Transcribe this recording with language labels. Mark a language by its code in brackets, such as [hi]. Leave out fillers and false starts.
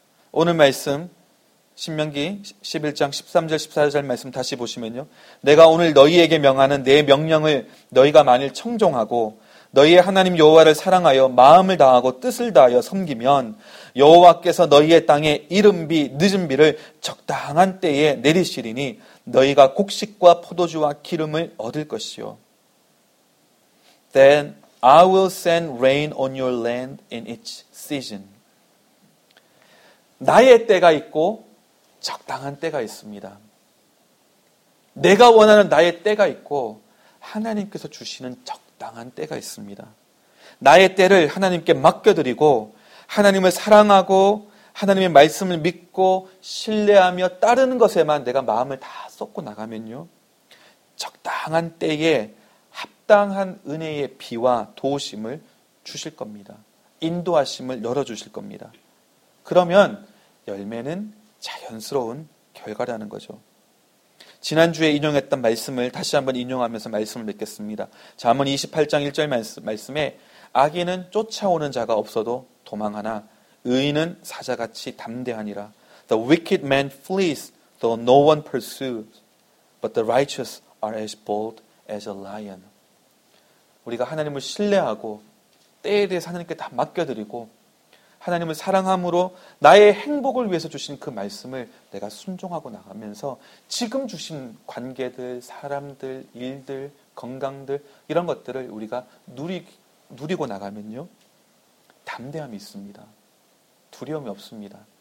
[ko] 오늘 말씀 신명기 11장 13절 14절 말씀 다시 보시면요, 내가 오늘 너희에게 명하는 내 명령을 너희가 만일 청종하고 너희의 하나님 여호와를 사랑하여 마음을 다하고 뜻을 다하여 섬기면 여호와께서 너희의 땅에 이른비 늦은비를 적당한 때에 내리시리니 너희가 곡식과 포도주와 기름을 얻을 것이요. [en] Then I will send rain on your land in its season. [ko] 나의 때가 있고 적당한 때가 있습니다. 내가 원하는 나의 때가 있고 하나님께서 주시는 적당한 때가 있습니다. 나의 때를 하나님께 맡겨드리고 하나님을 사랑하고 하나님의 말씀을 믿고 신뢰하며 따르는 것에만 내가 마음을 다 쏟고 나가면요, 적당한 때에 합당한 은혜의 비와 도우심을 주실 겁니다. 인도하심을 열어주실 겁니다. 그러면 열매는 자연스러운 결과라는 거죠. 지난주에 인용했던 말씀을 다시 한번 인용하면서 말씀을 맺겠습니다. 잠언 28장 1절 말씀에 악인은 쫓아오는 자가 없어도 도망하나 의인은 사자같이 담대하니라. [en] The wicked man flees, though no one pursues, but the righteous are as bold as a lion. [ko] 우리가 하나님을 신뢰하고 때에 대해서 하나님께 다 맡겨드리고 하나님을 사랑함으로 나의 행복을 위해서 주신 그 말씀을 내가 순종하고 나가면서 지금 주신 관계들, 사람들, 일들, 건강들 이런 것들을 우리가 누리고 나가면요, 담대함이 있습니다. 두려움이 없습니다.